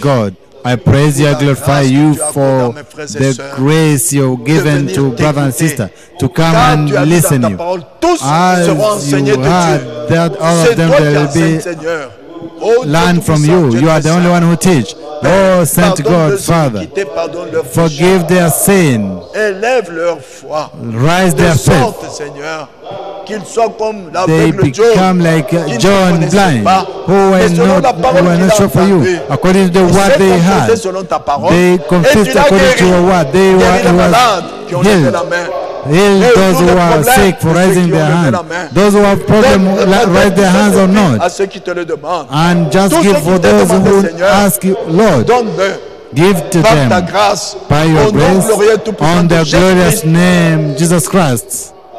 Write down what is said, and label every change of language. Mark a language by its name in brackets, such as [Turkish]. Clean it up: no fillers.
[English] God, I praise you, I glorify you for the grace you have given to brother and sister to come and listen to you. As you heard that all of them will be learned from you. You are the only one who teaches. Oh, Saint God, Father, forgive their sin. [French] Élève leur foi. [English] Rise their faith. [French] De sorte, Seigneur, qu'ils soient comme la [English] they become like John blind, who were not sure for you. According to the word they had, they confessed according to your word. They were healed. Heal those who are sick for raising their hands. Those who have problems, raise their hands or not. And just give for those who ask you, Lord, give to them by your grace on the glorious name, Jesus Christ.